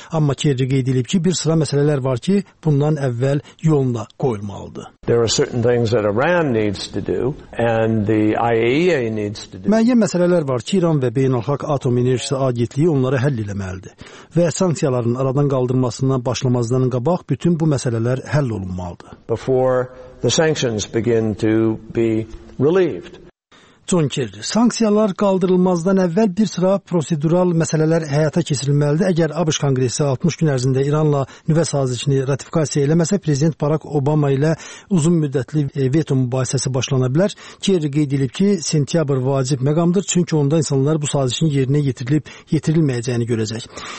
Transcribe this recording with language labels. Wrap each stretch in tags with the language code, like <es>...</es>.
<az>Amma Kerry qeyd edib ki, bir sıra məsələlər var ki, bundan əvvəl yoluna qoyulmalıdır. Müəyyən məsələlər var ki, İran və Beynəlxalq Atom Enerjisi Agentliyi onları həll eləməlidir. Və sanksiyaların aradan qaldırılmasından başlamazdan qabaq bütün bu məsələlər həll olunmalıdır.</az> <en>The sanctions begin to be relieved.</en> <az>John Kerry, sanksiyalar qaldırılmazdan əvvəl bir sıra prosedural məsələlər həyata keçirilməlidir. Əgər ABŞ Konqresi 60 gün ərzində İranla nüvə sazişini ratifikasiya eləməsə, Prezident Barack Obama ilə uzun müddətli veto mübahisəsi başlana bilər. Kerry qeyd edib ki, sentyabr vacib məqamdır, çünki onda insanlar bu sazişin yerinə yetirilib yetirilməyəcəyini görəcək.</az>